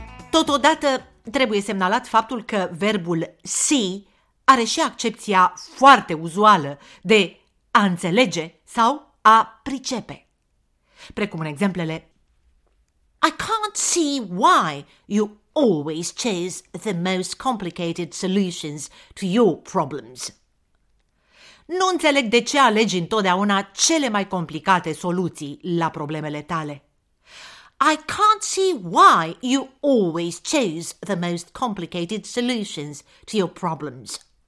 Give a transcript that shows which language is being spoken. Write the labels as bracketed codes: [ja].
[ro] Totodată trebuie semnalat faptul că verbul see are și accepția foarte uzuală de a înțelege sau a pricepe. Precum în exemplele: [en] I can't see why you always choose the most complicated solutions to your problems. [ro] Nu înțeleg de ce alegi întotdeauna cele mai complicate soluții la problemele tale. [en] I can't see why you always choose the most complicated solutions to your problems.